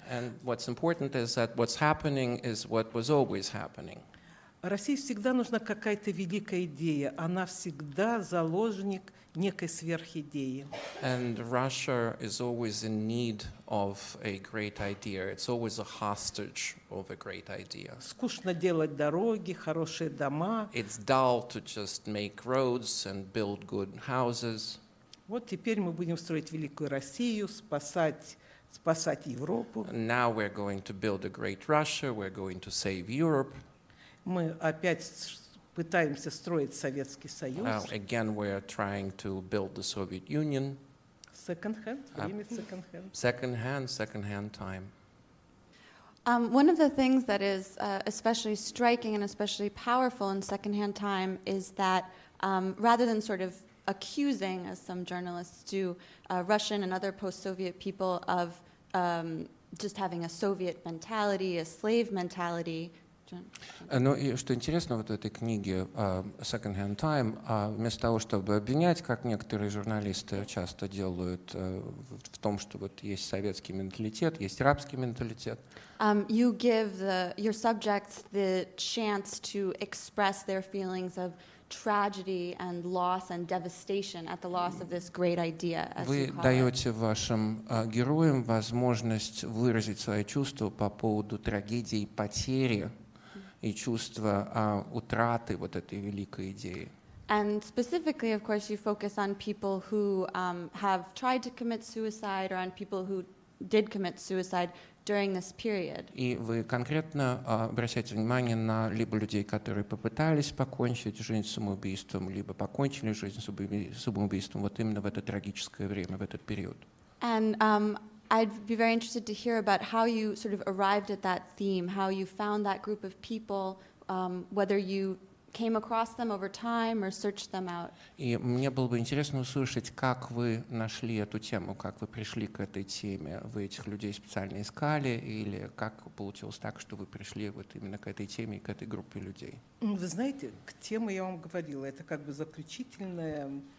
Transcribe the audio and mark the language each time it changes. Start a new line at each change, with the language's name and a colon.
English: And what's important is that what's happening is what was always happening.
Russian: России всегда нужна какая-то великая идея. Она всегда заложник некой сверхидеи.
English: And Russia is always in need of a great idea. It's always a hostage of a great idea.
Russian: Скучно делать дороги, хорошие дома.
English: It's dull to just make roads and build good houses.
Russian: Вот теперь мы будем строить великую Россию, спасать Европу.
English: And now we're going to build a great Russia. We're going to save Europe.
Russian: Мы опять пытаемся строить Советский Союз.
English: Again, we are trying to build the Soviet Union. Second hand time. One of the things that is especially striking and especially powerful in Secondhand Time is that rather than sort of accusing, as some journalists do, Russian and other post-Soviet people of just having a Soviet mentality, a slave mentality,
Russian: Ну и что интересно вот в этой книге «Secondhand Time», вместо того, чтобы обвинять, как некоторые журналисты часто делают, в том, что вот есть советский менталитет, есть рабский менталитет.
English: You give your subjects the chance to express their feelings of tragedy and loss and devastation at the loss of this great idea, as you call it.
Russian: Вы даете вашим героям возможность выразить свои чувства по поводу трагедии, потери. И чувство утраты вот этой великой идеи.
English: And specifically, of course, you focus on people who have tried to commit suicide or on people who did commit suicide during this period.
Russian: И вы конкретно обращаете внимание на либо людей, которые попытались покончить жизнь самоубийством, либо покончили жизнь самоубийством вот именно в это трагическое время, в этот период.
English: And I'd be very interested to hear about how you sort of arrived at that theme, how you found that group of people, whether you came across them over time or searched them out.
Russian: И мне было бы интересно услышать, как вы нашли эту тему, как вы пришли к этой теме. Вы этих людей специально искали или как получилось так, что вы пришли вот именно к этой теме и к этой группе людей? Вы знаете, к теме я вам говорила, это как бы заключительная...